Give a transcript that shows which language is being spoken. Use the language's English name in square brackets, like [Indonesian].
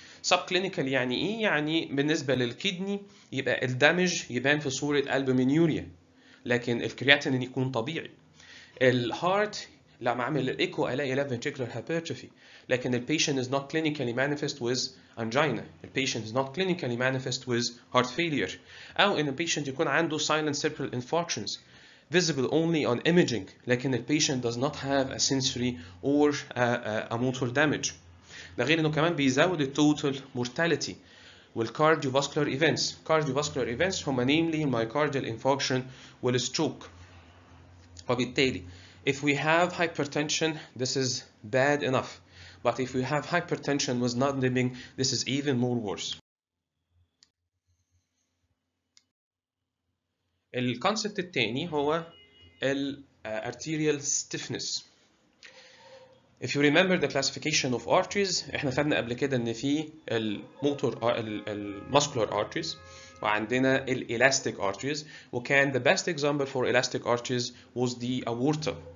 [Arabic] Subclinical يعني إيه؟ يعني بالنسبة للكيدني يبقى الـ damage يبان في صورة albuminuria، لكن الكرياتينين يكون طبيعي. [English] الـ heart [Arabic] لما أعمل [English] الـ echo [Arabic] ألاقي [English] left ventricular hypertrophy، [Arabic] لكن [English] الـ patient is not clinically manifest with angina. The patient is not clinically manifest with heart failure. أو إن الـ patient [Arabic] يكون عنده [English] silent cerebral infarctions visible only on imaging، [Arabic] لكن [English] the patient does not have a sensory or a motor damage. [Arabic] ده غير انه كمان بيزود [English] the total mortality [Arabic] والcardiovascular events. [English] Cardiovascular events هما namely myocardial infarction والstroke. [Arabic] وبالتالي [English] if we have hypertension this is bad enough، but if we have hypertension with non-dipping this is even more worse. [Arabic] الكونسبت الثاني هو الـ arterial stiffness. [English] If you remember the classification of arteries، [Arabic] احنا خدنا قبل كده [English] ان في الموتور المسكولار arteries وعندنا الـ elastic arteries، وكان the best example for elastic arteries was the aorta.